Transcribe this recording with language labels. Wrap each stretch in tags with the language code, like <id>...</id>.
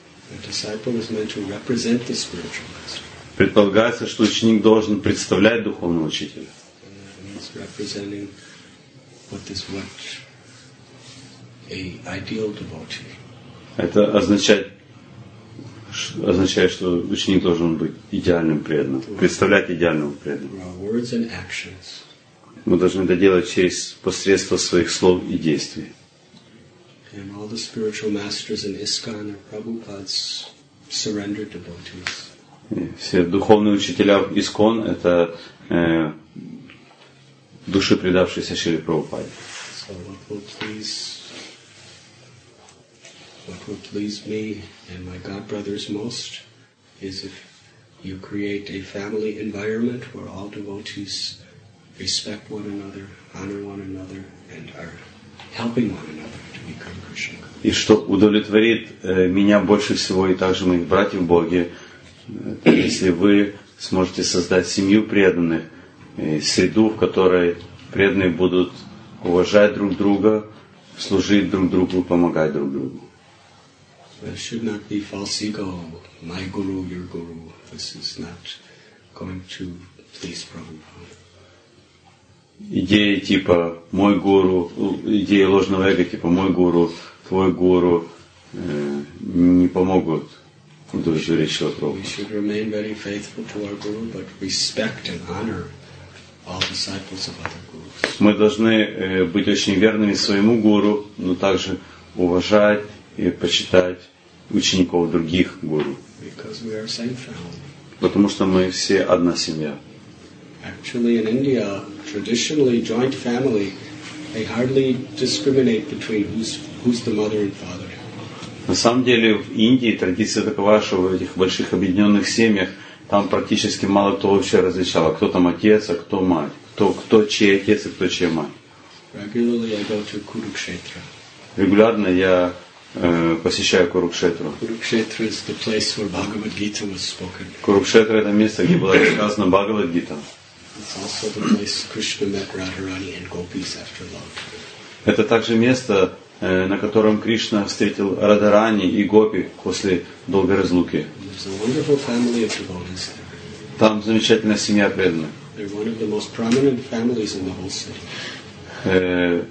<en>The disciple is meant to represent the spiritual master.</en> <ru>Предполагается, что ученик должен представлять духовного учителя.</ru> <en>He's representing what is what a ideal devotee.</en> <ru>Это означает, что ученик должен быть идеальным преданным, представлять идеального преданного.</ru> <en>Words and actions.</en> <ru>Мы должны это делать через посредство своих слов и действий.</ru> <en>And all the spiritual masters in ISKCON are Prabhupada's surrendered devotees.</en> <ru>Все духовные учителя в ISKCON – это души, предавшиеся Шриле Прабхупаде.</ru> <en>So what will please me and my godbrothers most is if you create a family environment where all devotees respect one another, honor one another, and are helping one another to become Krishna.</en> <ru>И что удовлетворит меня больше всего и также моих братьев Боги, если вы сможете создать семью преданных, среду, в которой преданные будут уважать друг друга, служить друг другу, помогать друг другу.</ru> <en>There should not be false ego. My guru, your guru. This is not going to please Prabhupada.</en> <ru>Идея типа «мой гуру», идея ложного эго типа «мой гуру», «твой гуру» не помогут удовлетворить Шрилу Прабхупаду.</ru> <en>We should remain very faithful to our guru, but respect and honor all disciples of other gurus.</en> <ru>Мы должны быть очень верными своему гуру, но также уважать и почитать учеников других гуру.</ru> <en>Because we are same family.</en> <ru>Потому что мы все одна семья.</ru> <en>Actually, in India, traditionally, joint family They hardly discriminate between who's the mother and father.</en> <ru>На самом деле в Индии традиция такова, что в этих больших объединенных семьях там практически мало кто вообще различало, кто там отец, а кто мать, кто чей отец и кто чья мать.</ru> <en>Regularly I go to Kurukshetra.</en> <ru>Регулярно я посещаю Курукшетру.</ru> <en>Kurukshetra is the place where Bhagavad Gita was spoken.</en> <ru>Курукшетра это место, где была сказана Бхагавад Гита.</ru> <en>It's also the place Krishna met Radharani and Gopis after love.</en> <ru>Это также место, на котором Кришна встретил Радарани и Гопи после долгой разлуки.</ru> <en>There's a wonderful family of devotees.</en> <ru>Там замечательная семья преданных.</ru> <en>They're one of the most prominent families in the whole city.</en>